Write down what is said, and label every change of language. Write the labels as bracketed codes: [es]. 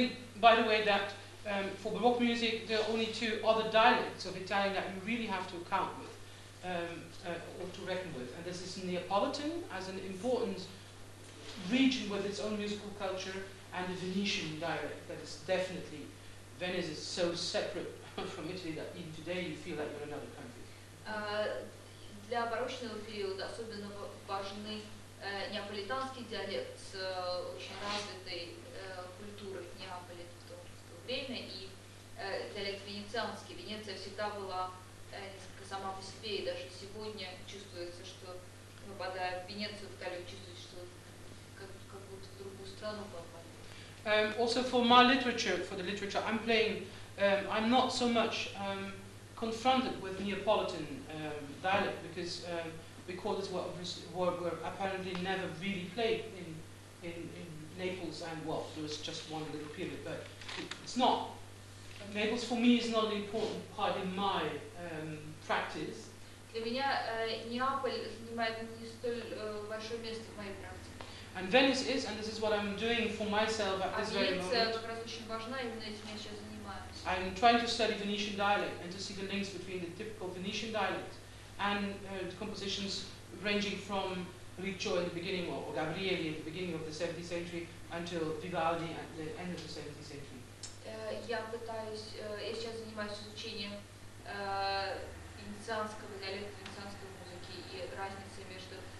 [en] I think, by the way, that for Baroque music, there are only two other dialects of Italian that you really have to account with. Or to reckon with, and this is Neapolitan as an important region with its own musical culture, and the Venetian dialect that is definitely Venice is so separate from Italy that even today you feel like you're another country. [ru] Для барочного периода особенно важны неаполитанский диалект с очень развитой культурой Неаполя в то время, и диалект венецианский. Венеция всегда была несколько сама по себе, и даже сегодня чувствуется, что, попадая в Венецию, в Италию, чувствуется, что как будто в другую страну попали. [en] Also for my literature, for the literature I'm playing, I'm not so much confronted with Neapolitan dialect, because we call this what we're apparently never really played in Naples, and well, there was just one little period, but it's not. Naples for me is not an important part in my practice. [ru] Для меня Неаполь занимает не столь большое место в моей практике. [en] And Venice is, and this is what I'm doing for myself at this very moment. [ru] Венеция как раз очень важна, именно этим я сейчас занимаюсь. [en] I'm trying to study Venetian dialect and to see the links between the typical Venetian dialect and the compositions ranging from Riccio in the beginning, or Gabrieli at the beginning of the 17th century, until Vivaldi at the end of the 17th century. [ru] Я пытаюсь, я сейчас занимаюсь изучением венецианского диалекта, венецианской музыки и разницей между